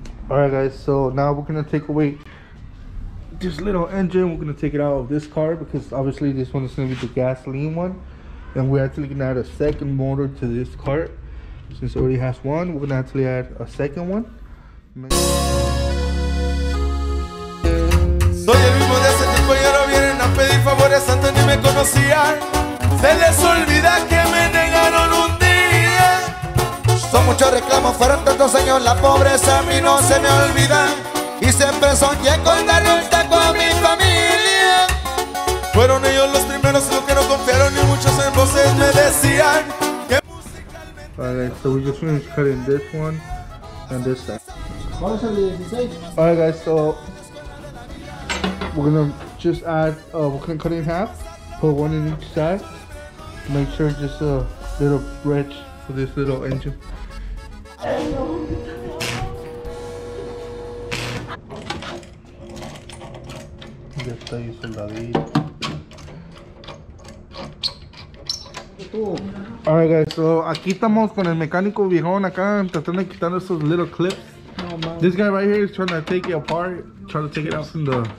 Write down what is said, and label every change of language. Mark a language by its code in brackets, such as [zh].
[en] All right, guys, so now we're gonna take away this little engine. We're gonna take it out of this car because obviously this one is gonna be the gasoline one, and we're actually gonna add a second motor to this car. Since it already has one, we're gonna actually add a second one. [es] Soy el mismo de hace tiempo y ahora vienen a pedir favores, antes ni me conocían. Se les olvida que me negaron un día. Son muchos reclamos, fueron tantos años, la pobreza a mí no se me olvida. Y siempre soñé con darle un taco a mi familia. Fueron ellos los primeros los que no confiaron y muchos en voces me decían que musicalmente. [en] Alright, so we just finished cutting this one and this side. Alright, guys, so we're gonna just add, we're gonna cut it in half, put one in each side, make sure it's just a little bridge for this little engine. [es] Ya está ahí soldadito. [en] Alright, guys, so [es] aquí estamos con el mecánico viejón acá tratando de quitar esos [en] little clips. No, this guy right here is trying to take it apart, trying to take it out from the.